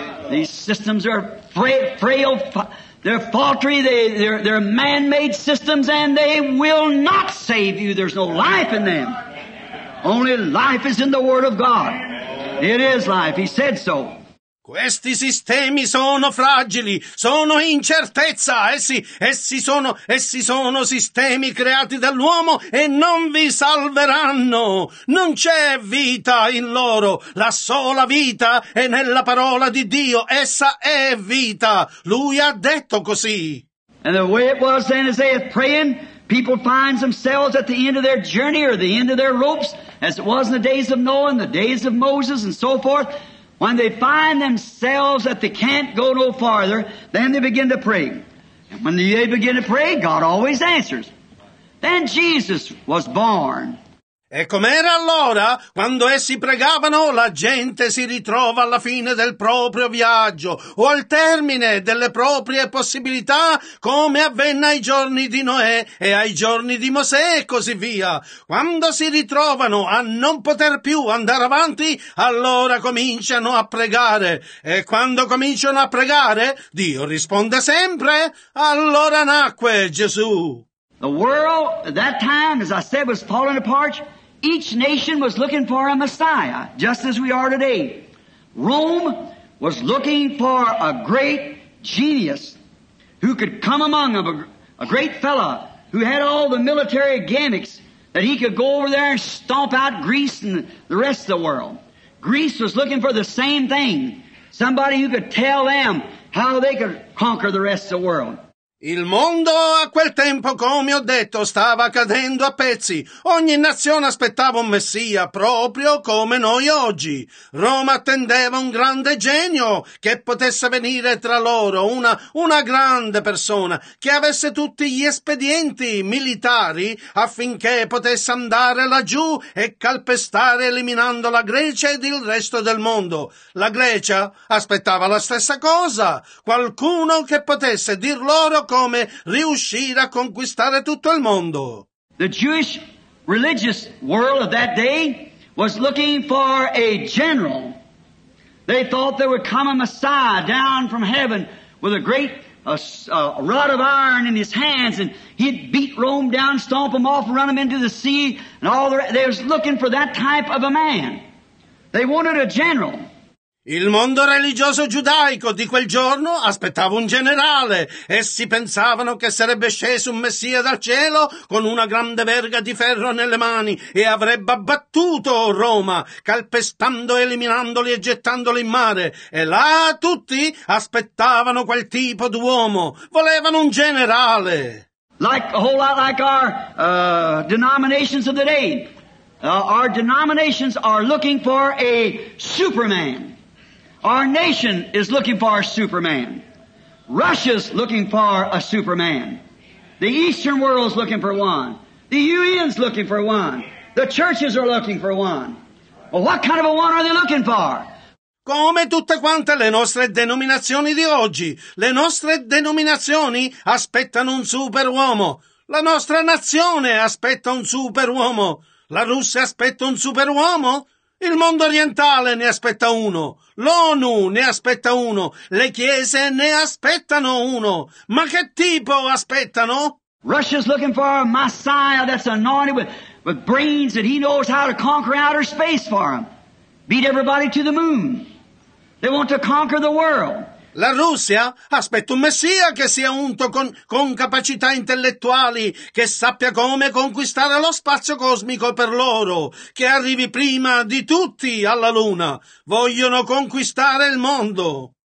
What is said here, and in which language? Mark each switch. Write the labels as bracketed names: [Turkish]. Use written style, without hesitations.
[English] These systems are frail They're faltering, they're man-made systems, and they will not save you. There's no life in them. Only life is in the Word of God. It is life. He said so. [Italian] Questi sistemi sono fragili, sono incertezza, essi sono sistemi creati dall'uomo e non vi salveranno. Non c'è vita in loro, la sola vita è nella parola di Dio, essa è vita. Lui ha detto così. [English] And the way it was then as they are praying, people find themselves at the end of their journey or the end of their ropes, as it was in the days of Noah and the days of Moses and so forth. When they find themselves that they can't go no farther, then they begin to pray. And when they begin to pray, God always answers. Then Jesus was born. [Italian] E com'era allora, quando essi pregavano, la gente si ritrova alla fine del proprio viaggio o al termine delle proprie possibilità, come avvenne ai giorni di Noè e ai giorni di Mosè e così via. Quando si ritrovano a non poter più andare avanti, allora cominciano a pregare. E quando cominciano a pregare, Dio risponde sempre. Allora nacque Gesù. [English] The world at that time, as I said, was falling apart. Each nation was looking for a Messiah, just as we are today. Rome was looking for a great genius who could come among them, a great fella who had all the military gimmicks that he could go over there and stomp out Greece and the rest of the world. Greece was looking for the same thing, somebody who could tell them how they could conquer the rest of the world. [Italian] Il mondo a quel tempo, come ho detto, stava cadendo a pezzi. Ogni nazione aspettava un messia, proprio come noi oggi. Roma attendeva un grande genio che potesse venire tra loro, una grande persona che avesse tutti gli espedienti militari affinché potesse andare laggiù e calpestare eliminando la Grecia ed il resto del mondo. La Grecia aspettava la stessa cosa, qualcuno che potesse dir loro come riuscire a conquistare tutto il mondo. [English] The Jewish religious world of that day was looking for a general. They thought there would come a Messiah down from heaven with a great rod of iron in his hands, and he'd beat Rome down, stomp them off, run them into the sea, and all the rest. They was looking for that type of a man. They wanted a general. [Italian] Il mondo religioso giudaico di quel giorno aspettava un generale. Essi pensavano che sarebbe sceso un messia dal cielo con una grande verga di ferro nelle mani e avrebbe abbattuto Roma, calpestando, eliminandoli e gettandoli in mare. E là tutti aspettavano quel tipo d'uomo. Volevano un generale. [English] Like a whole lot like our denominations of the day. Our denominations are looking for a Superman. Our nation is looking for a Superman. Russia's looking for a Superman. The Eastern world's looking for one. The UN's looking for one. The churches are looking for one. Well, what kind of a one are they looking for? [Italian] Come tutte quante le nostre denominazioni di oggi, le nostre denominazioni aspettano un superuomo. La nostra nazione aspetta un superuomo. La Russia aspetta un superuomo. Il mondo orientale ne aspetta uno, l'ONU ne aspetta uno, le chiese ne aspettano uno. Ma che tipo aspettano? [English] Russia's looking for a Messiah that's anointed with brains, that he knows how to conquer outer space for him. Beat everybody to the moon. They want to conquer the world. [Italian] La Russia aspetta un messia che sia unto con capacità intellettuali, che sappia come conquistare lo spazio cosmico per loro, che arrivi prima di tutti alla Luna. Vogliono conquistare il mondo.